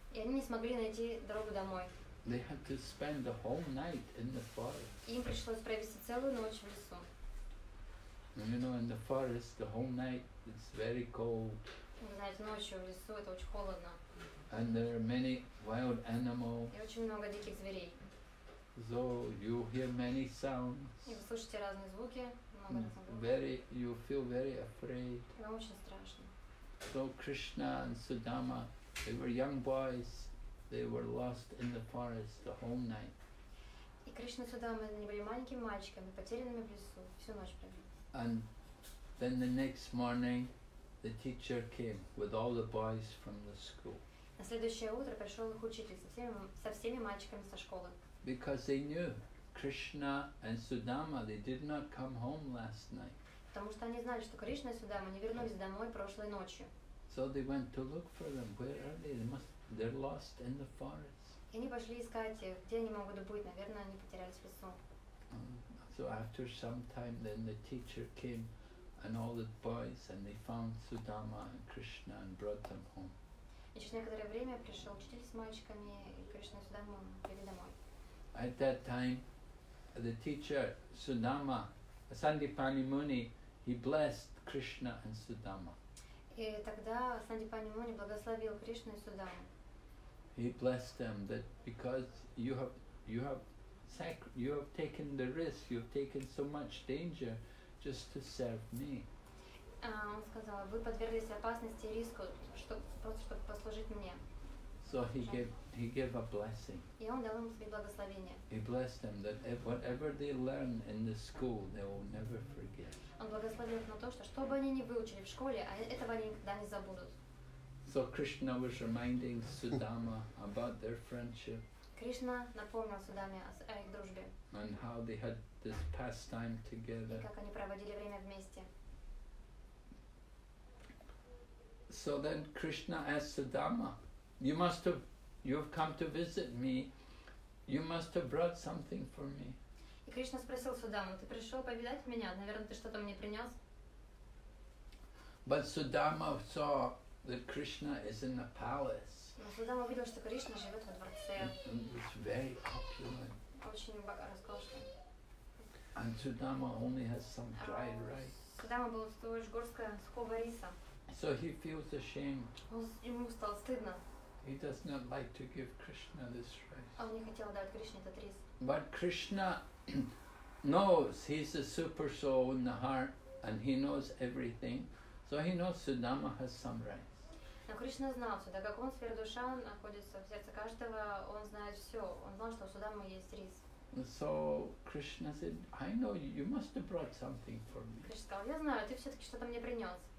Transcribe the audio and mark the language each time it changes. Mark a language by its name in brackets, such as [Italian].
[Russian] И они не смогли найти дорогу домой. [English] They had to spend the whole night in the forest. [Russian] Им пришлось провести целую ночь в лесу. [English] And you know, in the forest, the whole night it's very cold. [Russian] Знаете, ночью в лесу это очень холодно. [English] And there are many wild animals. [Russian] И очень много диких зверей. [English] So you hear many sounds. [Russian] И вы слышите разные звуки. [English] Very, you feel very afraid. [Russian] Очень страшно. [English] So Krishna and Sudama, they were young boys. They were lost in the forest the whole night. [Russian] И Кришна и Судама они были маленькими мальчиками, потерянными в лесу всю ночь провели. [English] And then the next morning, the teacher came with all the boys from the school. [Russian] На следующее утро пришел их учитель со всеми мальчиками со школы. [English] Because they knew Krishna and Sudama, they did not come home last night. [Russian] Потому что они знали, что Кришна и Судама не вернулись домой прошлой ночью. [English] So they went to look for them. Where are they? They're lost in the forest. [Russian] И они пошли искать их, где они могут быть. Наверное, они потерялись в лесу. [English] So after some time, then the teacher came, and all the boys, and they found Sudama and Krishna and brought them home. [Russian] И через некоторое время пришел учитель с мальчиками и Кришна и Судама привели домой. [English] At that time, the teacher Sudama, Sandipani Muni, he blessed Krishna and Sudama. [Russian] И тогда Сандипани Муни благословил Кришну и Судаму. [English] He blessed them that because you have taken the risk, you have taken so much danger just to serve me. [Russian] Он сказал, вы подверглись опасности и риску, просто чтобы послужить мне. [English] So he gave a blessing. [Russian] И он дал им свои благословения. [English] He blessed them that whatever they learn in the school, they will never forget. [Russian] Он благословил их на то, что бы они ни выучили в школе, а этого они никогда не забудут. [English] So Krishna was reminding Sudama about their friendship. [Russian] Кришна напомнил Судаме о их дружбе. [English] And how they had this pastime together. [Russian] И как они проводили время вместе. [English] So then Krishna asked Sudama, You have come to visit me. You must have brought something for me. [Russian] И Кришна спросил Судаму, ты пришел повидать меня? Наверное, ты что-то мне принес? [English] But Sudama saw that Krishna is in the palace. [Russian] Но Судама увидел, что Кришна живет во дворце. [English] And it's very opulent. [Russian] Очень роскошно. [English] And Sudama only has some dry rice. [Russian] Судама был всего лишь горстка сухого риса. [English] So he feels ashamed. [Russian] Ему стало стыдно. [English] He does not like to give Krishna this rice. [Russian] Он не хотел дать Кришне этот рис. [English] But Krishna knows he's a super soul in the heart, and he knows everything. So he knows Sudama has some rights. [Russian] Но Кришна знал, что так как он сфера душа находится в сердце каждого, он знает все. Он знал, что у Судамы есть рис. [English] So Krishna said, I know you must have brought something for me. [Russian] Кришна сказал, я знаю, ты все-таки что-то мне принес.